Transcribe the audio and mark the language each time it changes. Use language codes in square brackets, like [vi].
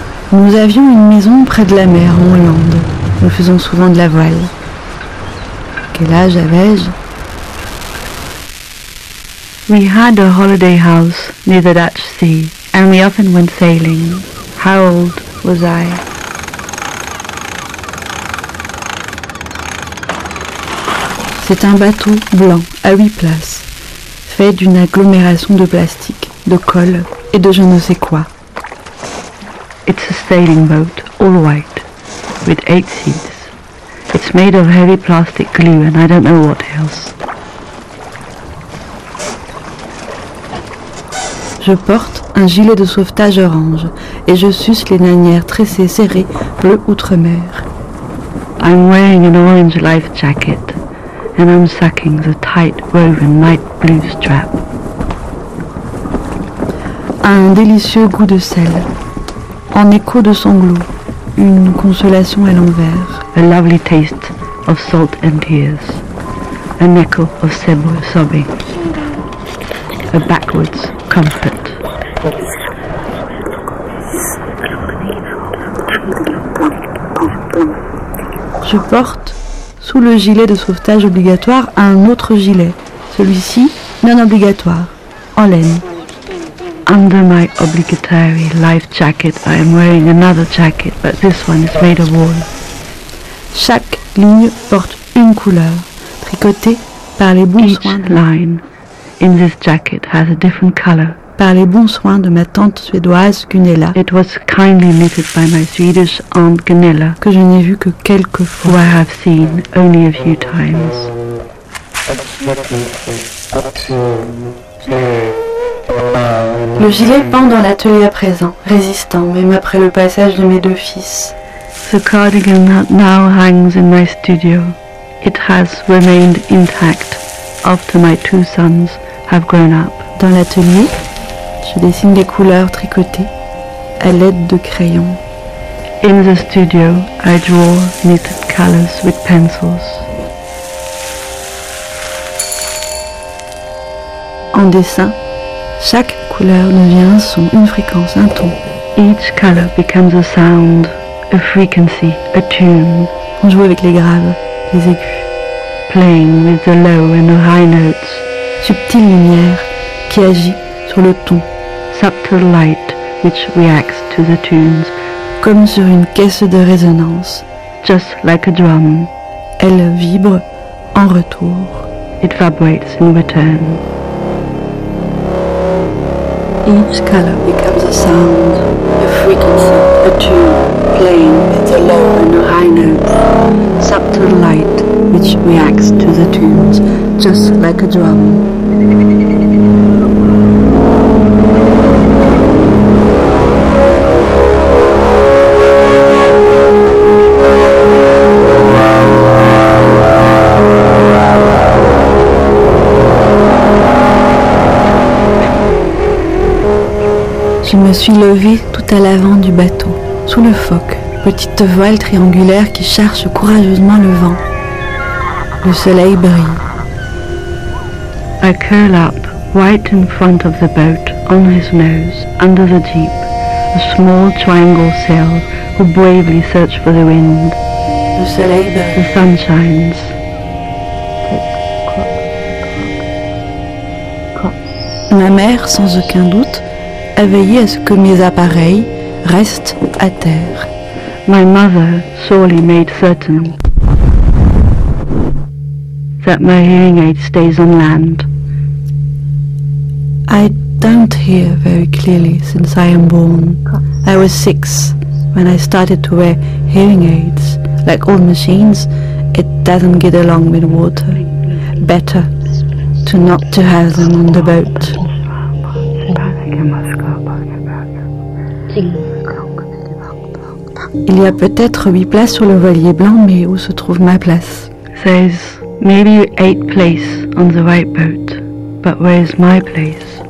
[fr] Nous avions une maison près de la mer, en Hollande. Nous faisons souvent de la voile. Quel âge avais-je? [en] We had a holiday house near the Dutch Sea, and we often went sailing. How old was I? [fr] C'est un bateau blanc à 8 places, fait d'une agglomération de plastique, de colle et de je ne sais quoi. [en] It's a sailing boat, all white, with 8 seats. It's made of heavy plastic glue and I don't know what else. [fr] Je porte un gilet de sauvetage orange et je suce les nanières tressées serrées bleues outre-mer. [en] I'm wearing an orange life jacket and I'm sucking the tight woven light blue strap. [fr] Un délicieux goût de sel. En écho de sanglots, une consolation à l'envers. [en] A lovely taste of salt and tears. An echo of Sebo sobbing. A backwards comfort. [fr] Je porte, sous le gilet de sauvetage obligatoire, un autre gilet. Celui-ci, non obligatoire, en laine. [en] Under my obligatory life jacket, I am wearing another jacket, but this one is made of wool. [fr] Chaque ligne porte une couleur, tricotée par les bons soins. [en] Each line in this jacket has a different color. [fr] Par les bons soins de ma tante suédoise Gunilla. [en] It was kindly knitted by my Swedish aunt Gunilla. [fr] Que je n'ai vu que quelques fois. [en] Who I have seen only a few times. [fr] Le gilet pend dans l'atelier à présent, résistant même après le passage de mes deux fils. [en] The cardigan now hangs in my studio. It has remained intact after my two sons have grown up. [fr] Dans l'atelier, je dessine les couleurs tricotées à l'aide de crayons. [en] In the studio, I draw knitted colors with pencils. [fr] En dessin, chaque couleur devient un son, une fréquence, un ton. [en] Each color becomes a sound, a frequency, a tune. [fr] On joue avec les graves, les aigus. [en] Playing with the low and the high notes. [fr] Subtile lumière qui agit sur le ton. [en] Subtle light which reacts to the tunes. [fr] Comme sur une caisse de résonance. [en] Just like a drum. [fr] Elle vibre en retour. [en] It vibrates in return. Each color becomes a sound, a frequency, a tune, playing with the low and the high notes. Subtle light which reacts to the tunes, just like a drum. [fr] Je me suis levée tout à l'avant du bateau, sous le foc, petite voile triangulaire qui charge courageusement le vent. Le soleil brille. [en] I curl up, right in front of the boat, on his nose, under the jeep, a small triangle sail who bravely search for the wind. [fr] Le soleil brille. [en] The sun shines. Ma mère, sans aucun doute, à veiller à ce que mes appareils restent à terre. My mother sorely made certain that my hearing aid stays on land. I don't hear very clearly since I am born. I was six when I started to wear hearing aids. Like all machines, it doesn't get along with water. Better to not to have them on the boat. [fr] Il y a peut-être 8 places sur le voilier blanc, mais où se trouve ma place? [en] There's maybe 8 places on the white boat, but where is my place?